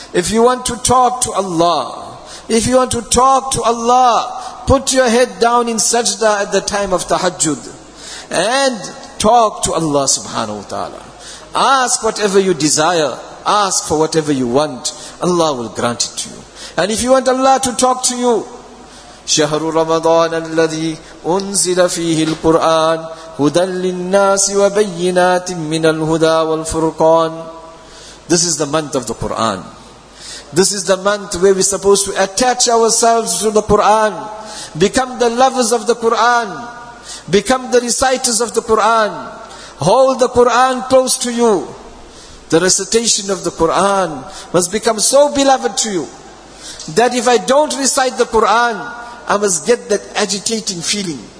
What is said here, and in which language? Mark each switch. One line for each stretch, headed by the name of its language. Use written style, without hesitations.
English: If you want to talk to Allah, if you want to talk to Allah, put your head down in sajda at the time of tahajjud and talk to Allah subhanahu wa ta'ala. Ask whatever you desire, ask for whatever you want, Allah will grant it to you. And if you want Allah to talk to you,
Arabic: شهر رمضان الذي أنزل فيه القرآن هدى للناس وبينات من الهدى والفرقان.
English: This is the month of the Quran. This is the month where we're supposed to attach ourselves to the Quran, become the lovers of the Quran, become the reciters of the Quran, hold the Quran close to you. The recitation of the Quran must become so beloved to you that if I don't recite the Quran, I must get that agitating feeling.